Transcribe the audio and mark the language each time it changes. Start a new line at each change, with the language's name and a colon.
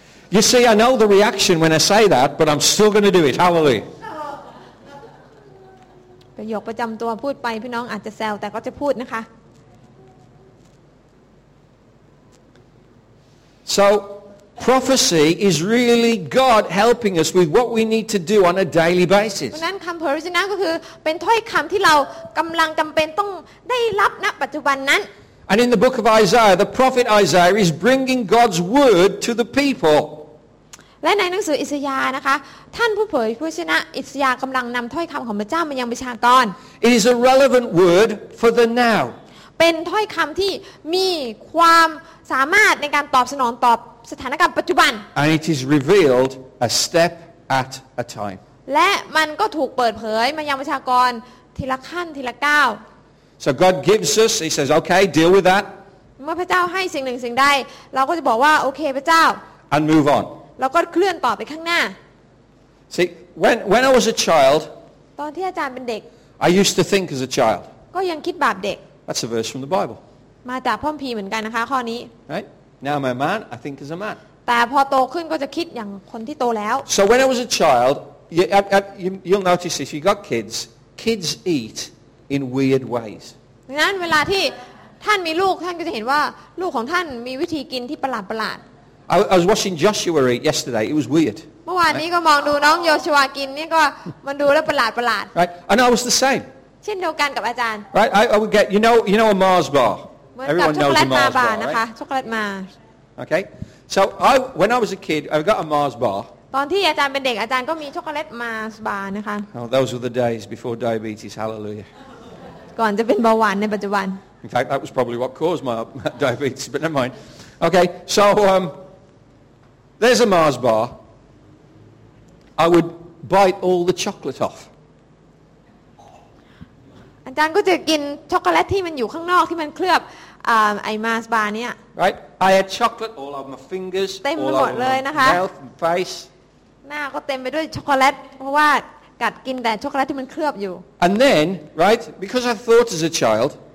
English: You see, I know the reaction when I say that, but I'm still going to do it. Hallelujah.
Thai: ประโยคประจำตัวพูดไปพี่น้องอาจจะแซวแต่ก็จะพูดนะคะ
English: So, prophecy is really God helping us with what we need to do on a daily basis.
Thai: นั้นคำเผยพระวจนะก็คือเป็นถ้อยคำที่เรากำลังจำเป็นต้องได้รับณปัจจุบันนั้น
English: And in the book of Isaiah, the prophet Isaiah is bringing God's word to the people.
Thai: และในหนังสืออิสยาห์นะคะท่านผู้เผยพระวจนะอิสยาห์กำลังนำถ้อยคำของพระเจ้ามายังประชากร
English: It is a relevant word for the now.
Thai: เป็นถ้อยคำที่มีความสามารถในการตอบสนองตอบสถานการณ์ปัจจุบัน
English: And it is revealed a step at a time
Thai: และมันก็ถูกเปิดเผยมายังประชากรทีละขั้นทีละก้าว
English: So God gives us he says okay deal with that
Thai: เมื่อพระเจ้าให้สิ่งหนึ่งสิ่งใดเราก็จะบอกว่าโอเคพระเจ้า
English: And move on
Thai: เราก็เคลื่อนต่อไปข้างหน้า
English: See when I was a child
Thai: ตอนที่อาจารย์เป็นเด็ก
English: I used to think as a child
Thai: ก็ยังคิดแบบเด็ก
English: That's a verse from the Bible
Thai: มาจากพระคัมภีร์เหมือนกันนะคะข้อนี้
English: Right now my man I think is a man
Thai: แต่พอโตขึ้นก็จะคิดอย่างคนที่โตแล้ว
English: So when I was a child you'll notice if you got kids eat in weird ways
Thai: ดังนั้นเวลาที่ท่านมีลูกท่านก็จะเห็นว่าลูกของท่านมีวิธีกินที่ประหลาด
English: ๆ I was watching Joshua eat yesterday it was weird
Thai: เมื่อวานนี้ก็มองดูน้องโยชัวกินนี่ก็มันดูแล้วประหลาดประหลาด
English: Right and I was the same
Thai: เช่นเดียวกันกับอาจารย์
English: Right I would get you know a Mars bar everyone knows a Mars bar
Thai: นะคะช็อกโกแลตมา
English: Okay so I when I was a kid I got a Mars bar
Thai: ตอนที่อาจารย์เป็นเด็กอาจารย์ก็มีช็อกโกแลต Mars bar นะคะ
English: Oh those were the days before diabetes hallelujah
Thai: ก่อนจะเป็นเบาหวานในปัจจุบัน
English: In fact that was probably what caused my diabetes but never mind Okay so there's a Mars barI would bite all the chocolate off.
Thai: อาจารย์ก็จะกินช็อกโกแลตที่มันอยู่ข้างนอกที่มันเคลือบไอ้มาร์สบาร์เนี่ย
English: Right, I had chocolate all over my fingers, all over my mouth and face.
Thai: หน้าก็เต็มไปด้วยช็อกโกแลตเพราะว่ากัดกินแต่ช็อกโกแลตที่มันเคลือบอยู่
English: And then, right, because I thought as a child,